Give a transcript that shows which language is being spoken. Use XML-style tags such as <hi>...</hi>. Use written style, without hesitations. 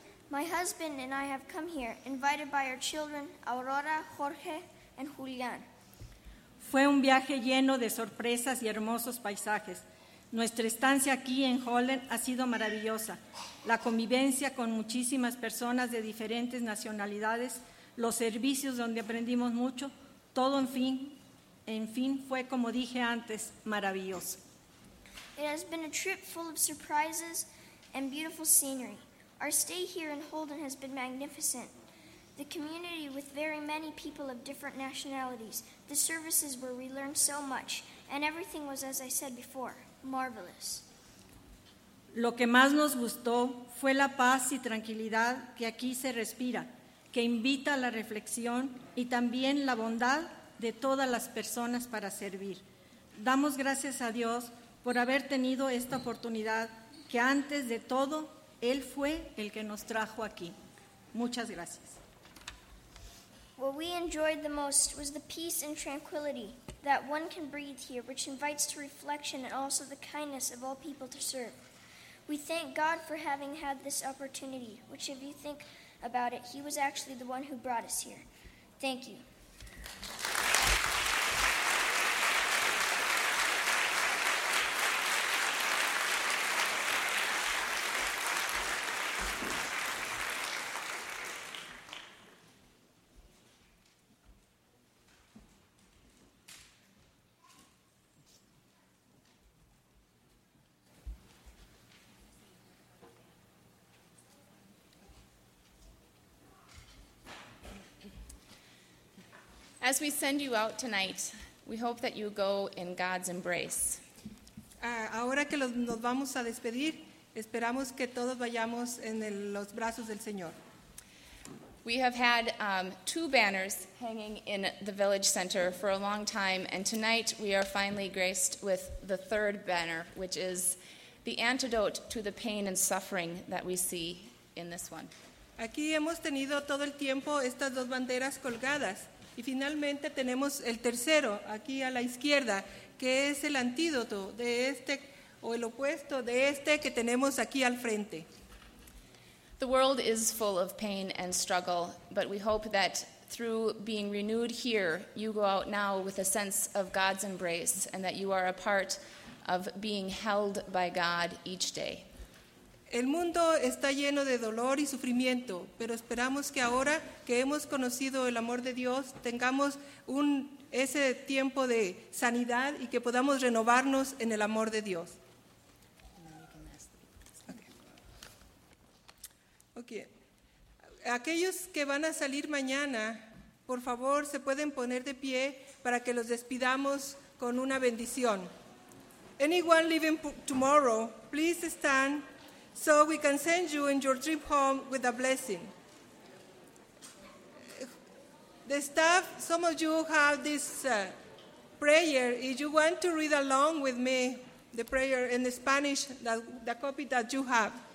<en>My husband and I have come here, invited by our children, Aurora, Jorge and Julián.</en> <es>Fue un viaje lleno de sorpresas y hermosos paisajes. Nuestra estancia aquí en Holden ha sido maravillosa. La convivencia con muchísimas personas de diferentes nacionalidades, los servicios donde aprendimos mucho, todo en fin, fue como dije antes, maravilloso.</es> <en>It has been a trip full of surprises and beautiful scenery. Our stay here in Holden has been magnificent. The community with very many people of different nationalities, the services where we learned so much, and everything was, as I said before, marvelous.</en> <es>Lo que más nos gustó fue la paz y tranquilidad que aquí se respira, que invita a la reflexión y también la bondad de todas las personas para servir. Damos gracias a Dios por haber tenido esta oportunidad, que antes de todo, Él fue el que nos trajo aquí. Muchas gracias.</es> <en>What we enjoyed the most was the peace and tranquility that one can breathe here, which invites to reflection and also the kindness of all people to serve. We thank God for having had this opportunity, which if you think about it, He was actually the one who brought us here. Thank you. As we send you out tonight, we hope that you go in God's embrace.</en> <es>Ahora que nos vamos a despedir, esperamos que todos vayamos en los brazos del Señor.</es> <en>We have had two banners hanging in the village center for a long time, and tonight we are finally graced with the third banner, which is the antidote to the pain and suffering that we see in this one.</en> <es>Aquí hemos tenido todo el tiempo estas dos banderas colgadas. Y finalmente tenemos el tercero aquí a la izquierda, que es el antídoto de este o el opuesto de este que tenemos aquí al frente.</es> <en>The world is full of pain and struggle, but we hope that through being renewed here, you go out now with a sense of God's embrace and that you are a part of being held by God each day.</en> <es>El mundo está lleno de dolor y sufrimiento, pero esperamos que ahora que hemos conocido el amor de Dios, tengamos ese tiempo de sanidad y que podamos renovarnos en el amor de Dios. Okay. Aquellos que van a salir mañana, por favor, se pueden poner de pie para que los despidamos con una bendición.</es> <en>Anyone leaving tomorrow, please stand. So we can send you in your trip home with a blessing. The staff, some of you have this prayer. If you want to read along with me, the prayer in the Spanish, the copy that you have.</en>